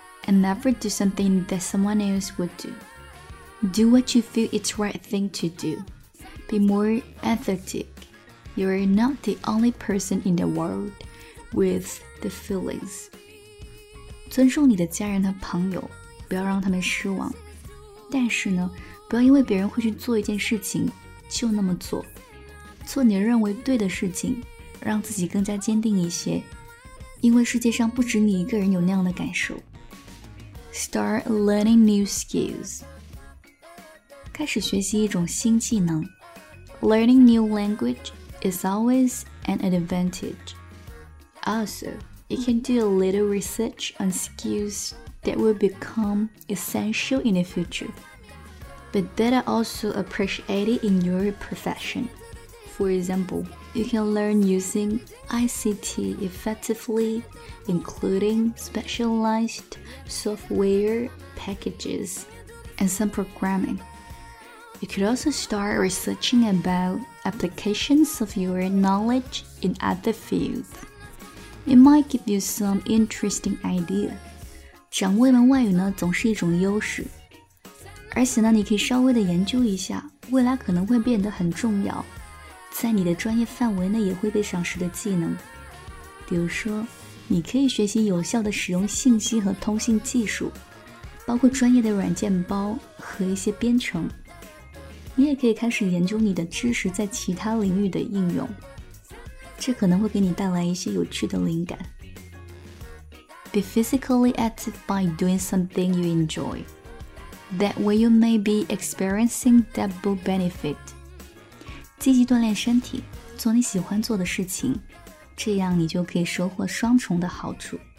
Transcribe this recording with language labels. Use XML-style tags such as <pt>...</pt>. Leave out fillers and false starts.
<en>And never do something that someone else would do. Do what you feel it's right thing to do. Be more empathetic. You are not the only person in the world with the feelings.</en> <zh>尊重你的家人和朋友，不要让他们失望。但是呢，不要因为别人会去做一件事情就那么做，做你认为对的事情，让自己更加坚定一些，因为世界上不止你一个人有那样的感受。</zh> <en>Start learning new skills，</en> <zh>开始学习一种新技能。</zh> <en>Learning new language is always an advantage. Also, you can do a little research on skills that will become essential in the futureBut that are also appreciated in your profession. For example, you can learn using ICT effectively, including specialized software packages and some programming. You could also start researching about applications of your knowledge in other fields. It might give you some interesting idea.</en> <zh>掌握一门外语呢，总是一种优势。而且呢，你可以稍微的研究一下，未来可能会变得很重要，在你的专业范围内也会被赏识的技能。比如说，你可以学习有效的使用信息和通信技术，包括专业的软件包和一些编程。你也可以开始研究你的知识在其他领域的应用，这可能会给你带来一些有趣的灵感。</zh> <en>Be physically active by doing something you enjoy. That way you may be experiencing double benefit.</en> <zh>积极锻炼身体，做你喜欢做的事情，这样你就可以收获双重的好处。</zh>